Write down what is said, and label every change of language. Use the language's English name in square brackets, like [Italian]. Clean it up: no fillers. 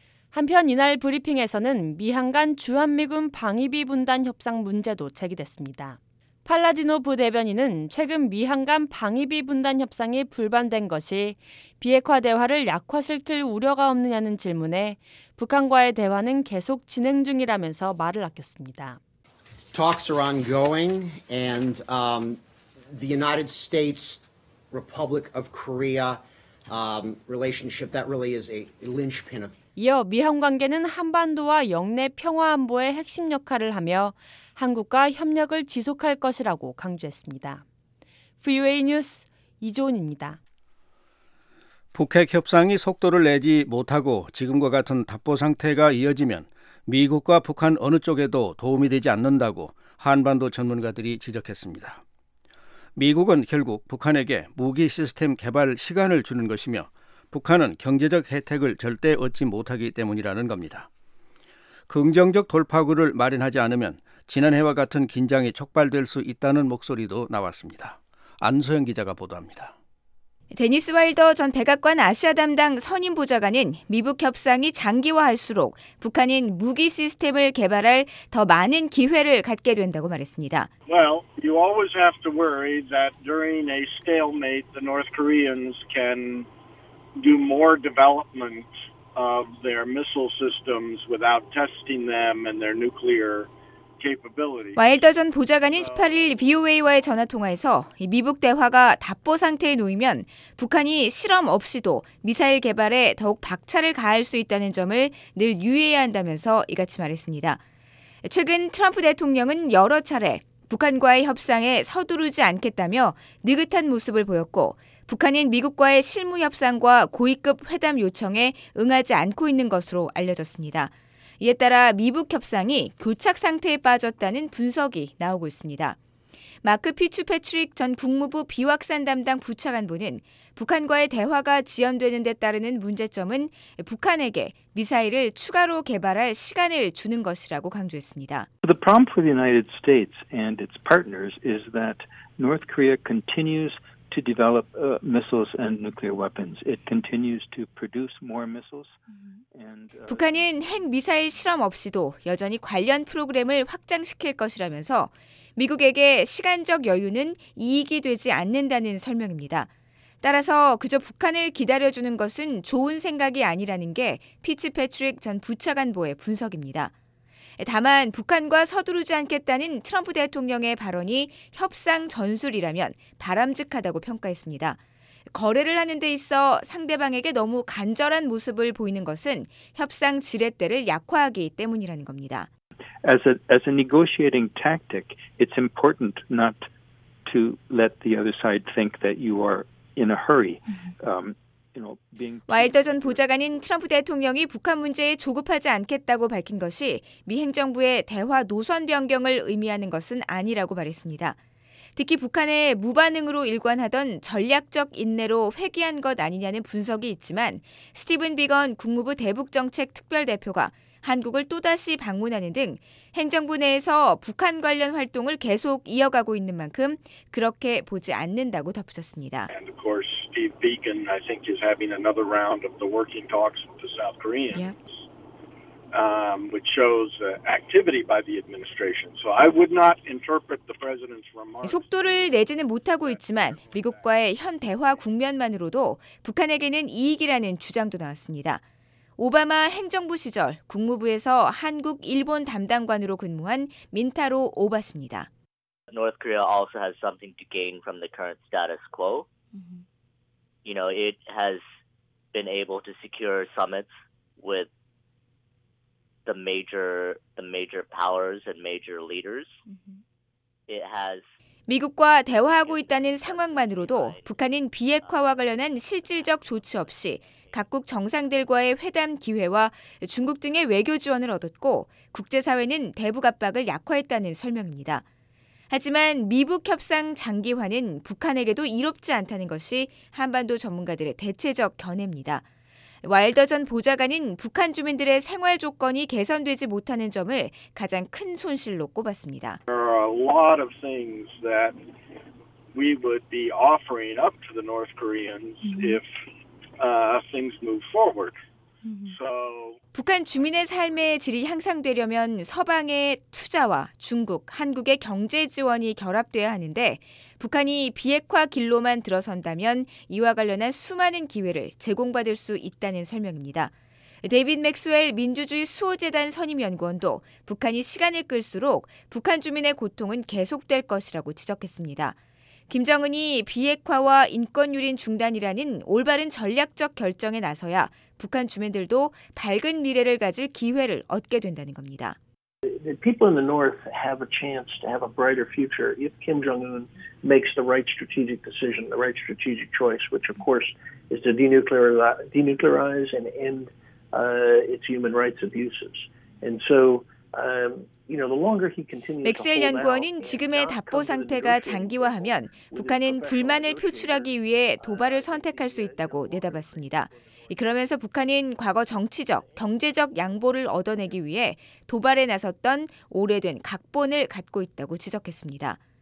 [Korean] 한편 이날 브리핑에서는 미한 간 주한미군 방위비 분담 협상 문제도 제기됐습니다. 팔라디노 부대변인은 최근 미한 간 방위비 분담 협상이 불발된 것이 비핵화 대화를 약화시킬 우려가 없느냐는 질문에 북한과의 대화는 계속 진행 중이라면서 말을 아꼈습니다. [English] Talks are ongoing and the United States Republic of Korea relationship that really is a linchpin of [Korean] 이어 미한 관계는 한반도와 영내 평화 안보의 핵심 역할을 하며 한국과 협력을 지속할 것이라고 강조했습니다. VOA 뉴스 이조은입니다. 북핵 협상이 속도를 내지 못하고 지금과 같은 답보 상태가 이어지면 미국과 북한 어느 쪽에도 도움이 되지 않는다고 한반도 전문가들이 지적했습니다. 미국은 결국 북한에게 무기 시스템 개발 시간을 주는 것이며 북한은 경제적 혜택을 절대 얻지 못하기 때문이라는 겁니다. 긍정적 돌파구를 마련하지 않으면 지난해와 같은 긴장이 촉발될 수 있다는 목소리도 나왔습니다. 안소영 기자가 보도합니다. 데니스 와일더 전 백악관 아시아 담당 선임 보좌관은 미북 협상이 장기화할수록 북한은 무기 시스템을 개발할 더 많은 기회를 갖게 된다고 말했습니다. [English] Well, you always have to worry that during a stalemate, the North Koreans can do more development of their missile systems without testing them and their nuclear. [Korean] 와일더 전 보좌관인 18일 VOA와의 전화통화에서 미북 대화가 답보 상태에 놓이면 북한이 실험 없이도 미사일 개발에 더욱 박차를 가할 수 있다는 점을 늘 유의해야 한다면서 이같이 말했습니다. 최근 트럼프 대통령은 여러 차례 북한과의 협상에 서두르지 않겠다며 느긋한 모습을 보였고 북한은 미국과의 실무 협상과 고위급 회담 요청에 응하지 않고 있는 것으로 알려졌습니다. 이에 따라 미북 협상이 교착 상태에 빠졌다는 분석이 나오고 있습니다. 마크 피츠 패트릭 전 국무부 비확산 담당 부차관보는 북한과의 대화가 지연되는 데 따르는 문제점은 북한에게 미사일을 추가로 개발할 시간을 주는 것이라고 강조했습니다. [English] The problem for the United States and its partners is that North Korea continues to develop missiles and nuclear weapons. It continues to produce more missiles. [Korean] 북한은 핵미사일 실험 없이도 여전히 관련 프로그램을 확장시킬 것이라면서 미국에게 시간적 여유는 이익이 되지 않는다는 설명입니다. 따라서 그저 북한을 기다려주는 것은 좋은 생각이 아니라는 게 피츠패트릭 전 부차관보의 분석입니다. 다만 북한과 서두르지 않겠다는 트럼프 대통령의 발언이 협상 전술이라면 바람직하다고 평가했습니다. 거래를 하는 데 있어 상대방에게 너무 간절한 모습을 보이는 것은 협상 지렛대를 약화하기 때문이라는 겁니다. [English] As a negotiating tactic, it's important not to let the other side think that you are in a hurry. [Korean] 와일더 전 보좌관인 트럼프 대통령이 북한 문제에 조급하지 않겠다고 밝힌 것이 미 행정부의 대화 노선 변경을 의미하는 것은 아니라고 말했습니다. 특히 북한의 무반응으로 일관하던 전략적 인내로 회귀한 것 아니냐는 분석이 있지만 스티븐 비건 국무부 대북정책특별대표가 한국을 또다시 방문하는 등 행정부 내에서 북한 관련 활동을 계속 이어가고 있는 만큼 그렇게 보지 않는다고 덧붙였습니다. [English] And of course, Steve Beacon, I think, is having another round of the working talks with the South Koreans, which shows activity by the administration. So I would not interpret the president's remarks. [Korean] 속도를 내지는 못하고 있지만 미국과의 현 대화 국면만으로도 북한에게는 이익이라는 주장도 나왔습니다. 오바마 행정부 시절 국무부에서 한국 일본 담당관으로 근무한 민타로 오바씨입니다. [English] North Korea also has something to gain from the current status quo. You know, it has been able to secure summits with the major powers and major leaders. It has [Korean] 미국과 대화하고 있다는 상황만으로도 북한은 비핵화와 관련한 실질적 조치 없이 각국 정상들과의 회담 기회와 중국 등의 외교 지원을 얻었고 국제사회는 대북 압박을 약화했다는 설명입니다. 하지만 미북 협상 장기화는 북한에게도 이롭지 않다는 것이 한반도 전문가들의 대체적 견해입니다. 와일더 전 보좌관은 북한 주민들의 생활 조건이 개선되지 못하는 점을 가장 큰 손실로 꼽았습니다. [English] There are a lot of things that we would be offering up to the North Koreans if things move forward. So [Korean] 북한 주민의 삶의 질이 향상되려면 서방의 투자와 중국, 한국의 경제 지원이 결합돼야 하는데 북한이 비핵화 길로만 들어선다면 이와 관련한 수많은 기회를 제공받을 수 있다는 설명입니다. 데이빗 맥스웰 민주주의 수호재단 선임연구원도 북한이 시간을 끌수록 북한 주민의 고통은 계속될 것이라고 지적했습니다. 김정은이 비핵화와 인권 유린 중단이라는 올바른 전략적 결정에 나서야 북한 주민들도 밝은 미래를 가질 기회를 얻게 된다는 겁니다. [English] The people in the north have a chance to have a brighter future if Kim Jong-un makes the right strategic decision, the right strategic choice, which of course is to denuclearize and end its human rights abuses. And so, you know, the longer he continues, [Korean] 맥스웰 연구원은 지금의 답보 상태가 장기화하면 북한은 불만을 표출하기 위해 도발을 선택할 수 있다고 내다봤습니다. 그러면서 북한은 과거 정치적, 경제적 양보를 얻어내기 위해 도발에 나섰던 오래된 각본을 갖고 있다고 지적했습니다.